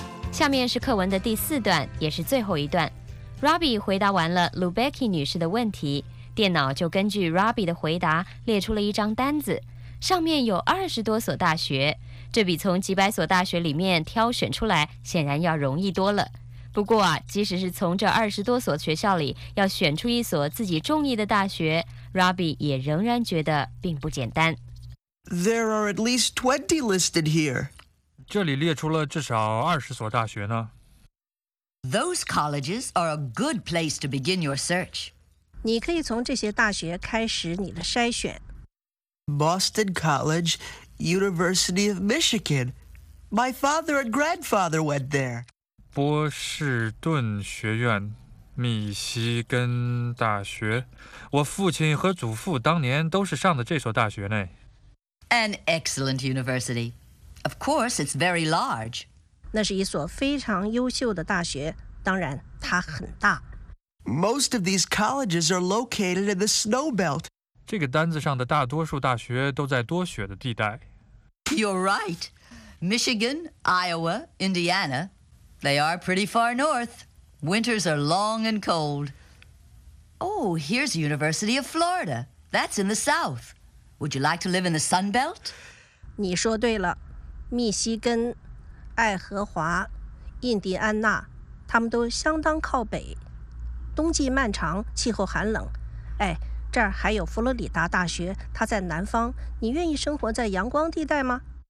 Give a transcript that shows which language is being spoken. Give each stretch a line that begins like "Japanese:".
Chinese: 下面是课文的第四段，也是最后一段。Robbie 回答完了 Lubecki 女士的问题，电脑就根据 Robbie 的回答列出了一张单子，上面有20多所大学，这比从几百所大学里面挑选出来显然要容易多了。不过啊，即使是从这20多所学校里要选出一所自己中意的大学， Robbie 也仍然觉得并不简单。
English: There are at least 20 listed here。
Chinese: 这里列出了至少20所大学呢。
English: Those colleges are a good place to begin your search.
Chinese: 你可以从这些大学开始你的筛选。
English: Boston College, University of Michigan. My father and grandfather went there.
Chinese: 波士顿学院，密西根大学。我父亲和祖父当年都是上的这所大学呢。
English: An excellent university. Of course, it's very large.
Chinese: 那是一所非常优秀的大学，当然它很大。
English: Most of these colleges are located in the snow belt.
Chinese: 这个单子上的大多数大学都在多雪的地带。
English: You're right. Michigan, Iowa, Indiana, they are pretty far north. Winters are long and cold. Oh, here's University of Florida. That's in the south. Would you like to live in the sun belt?
Chinese: 你说对了，密西根。爱荷华、印第安纳，他们都相当靠北，冬季漫长，气候寒冷。哎，这儿还有佛罗里达大学，它在南方。你愿意生活在阳光地带吗